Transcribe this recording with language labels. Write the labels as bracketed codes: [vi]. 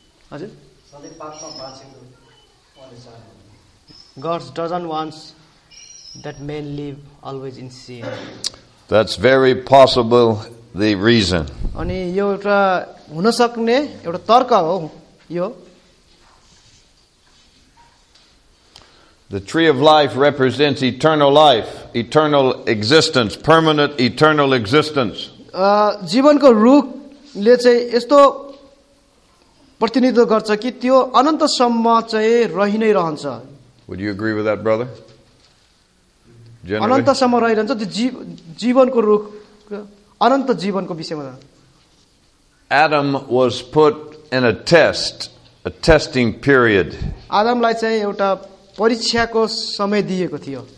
[ne] हजुर सधैं पापमा बाँचेको [en] God doesn't want that man live always in sin that's very possible the reason [ne] अनि यो एउटा हुन सक्ने एउटा तर्क हो यो [en] The tree of life represents eternal life, eternal existence, permanent eternal existence. [ne] जीवनको रुखले चाहिँ यस्तो प्रतिनिधित्व गर्छ कि त्यो अनन्तसम्म चाहिँ रहि नै रहन्छ. [en] Would you agree with that, brother? [ne] अनन्तसम्म रहिरहन्छ त्यो जीवनको रुख अनन्त जीवनको विषयमा. [en] Adam was put in a test, a testing period. [ne] आदमलाई चाहिँ एउटा परीक्षाको समय दिएको थियो